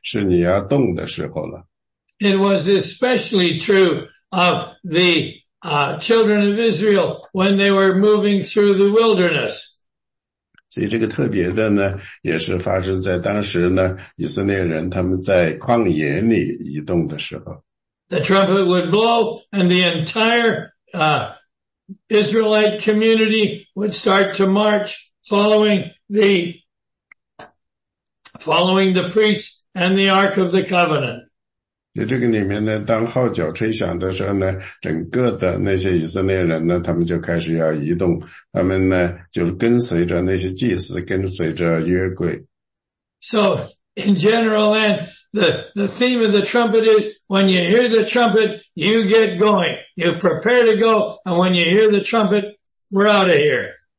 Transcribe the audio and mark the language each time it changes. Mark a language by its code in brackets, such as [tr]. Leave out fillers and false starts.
[zh] 所以这个里面呢，如果你在陆军里待过，你就知道呢，不同的号声呢有不同的意思，就是你会学会知道哪种号是干什么。通常呢，这些号吹响的时候呢，是你要动的时候了。 [en] It was especially true of the children of Israel when they were moving through the wilderness. [zh] 所以这个特别的呢，也是发生在当时呢，以色列人他们在旷野里移动的时候。 [en] The trumpet would blow, and the entire Israelite community would start to march, following the priests and the Ark of the Covenant. [zh] 在这个里面呢，当号角吹响的时候呢，整个的那些以色列人呢，他们就开始要移动，他们呢就是跟随着那些祭司，跟随着约柜。 [en] So in general, then. The theme of the trumpet is, when you hear the trumpet, you get going. You prepare to go, and when you hear the trumpet, we're out of here.